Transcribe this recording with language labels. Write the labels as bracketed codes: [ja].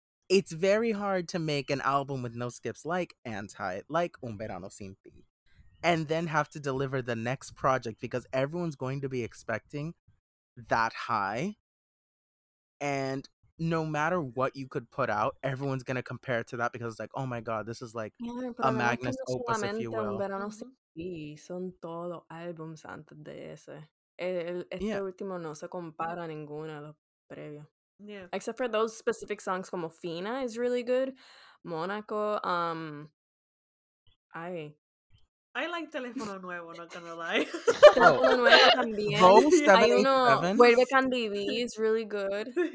[en] It's very hard to make an album with no skips like Anti, like Un Verano Sin Ti, and then have to deliver the next project because everyone's going to be expecting that high. And no matter what you could put out, everyone's going to compare it to that because it's like, oh my God, this is like a Magnus Opus, if you will. [es] Pero no sé si son todos álbumes antes de ese. Último no se compara a ninguno de los previos. [en] Yeah. Except for those specific songs como Fina is really good. Monaco. I like Teléfono Nuevo, not gonna lie. Teléfono Nuevo también. Vogue 787? Vuelve Can Vivir is really good.